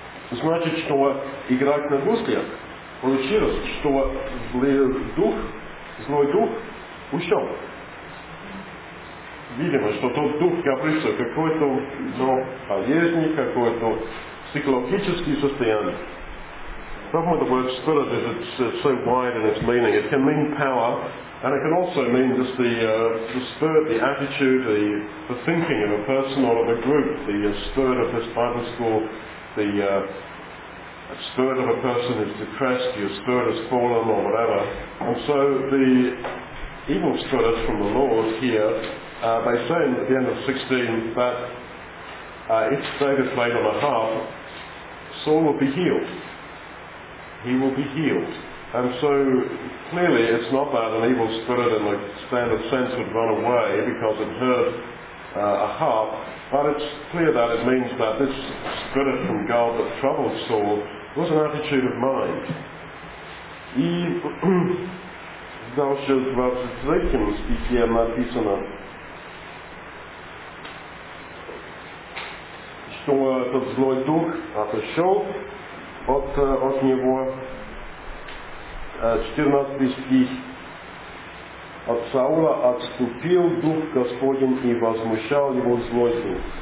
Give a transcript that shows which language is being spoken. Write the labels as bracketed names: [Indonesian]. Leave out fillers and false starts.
[Russian] Значит, что играть на гуслях, получилось, что злой дух ушел. Видимо, что тот дух, как обычно, какой-то болезнь, какое-то психологическое состояние. [English] Some of the word spirit is so wide in its meaning. It can mean power, and it can also mean just the spirit, the attitude, the thinking of a person or of a group. The spirit of this Bible school, the spirit of a person is depressed, your spirit has fallen or whatever. And so the evil spirits from the Lord here, they say at the end of 16 that if David played on a harp, Saul would be healed. He will be healed. And so clearly it's not that an evil spirit in the standard sense would run away because it heard a harp, but it's clear that it means that this spirit from God that troubled Saul was an attitude of mind. [Russian] И дальше в 23 стихе написано, что этот злой дух отошел от него, 14 стих, от Саула отступил Дух Господень и возмущал его злой дух.